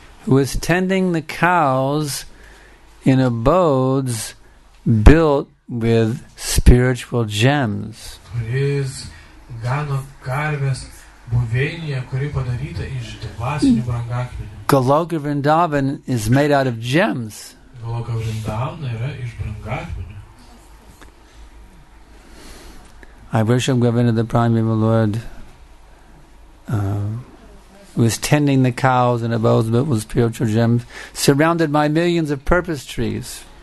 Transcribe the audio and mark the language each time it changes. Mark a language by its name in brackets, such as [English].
[English] Who was tending the cows in abodes built with spiritual gems. [Lithuanian] Kuris gano karves buveinėje, kuri padaryta iš dvasinių brangakmenių. [English] Goloka Vrindavan is made out of gems. [Lithuanian] Goloka Vrindavan yra iš brangakmenių. [English] I worship Govinda the Prime Evil Lord who was tending the cows and abodes built with spiritual gems, surrounded by millions of purpose trees.